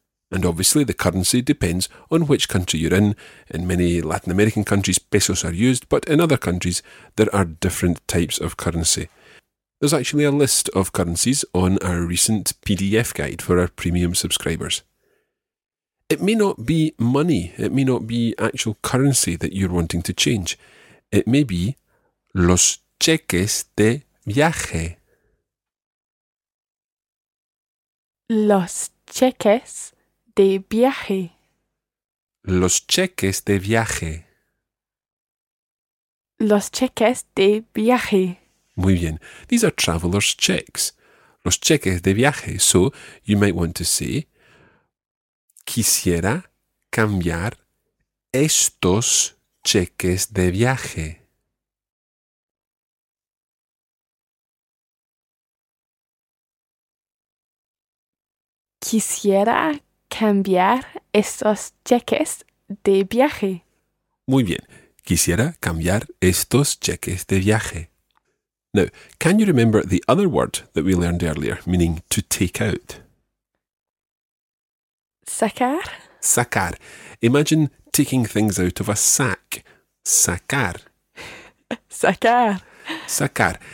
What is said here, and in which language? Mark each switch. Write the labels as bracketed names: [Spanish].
[English] And obviously the currency depends on which country you're in. In many Latin American countries, pesos are used, but in other countries, there are different types of currency. There's actually a list of currencies on our recent PDF guide for our premium subscribers. It may not be money, it may not be actual currency that you're wanting to change. It may be [Spanish] los cheques de viaje. Los cheques de viaje. Los cheques de viaje. Los cheques de viaje. Muy bien. [English] These are traveler's checks. [Spanish] Los cheques de viaje. [English] So, you might want to say, [Spanish] quisiera cambiar estos cheques de viaje. Quisiera cambiar estos cheques de viaje. Muy bien. Quisiera cambiar estos cheques de viaje. [English] Now, can you remember the other word that we learned earlier, meaning to take out? [Spanish] Sacar. Sacar. [English] Imagine taking things out of a sack. [Spanish] Sacar. Sacar. Sacar.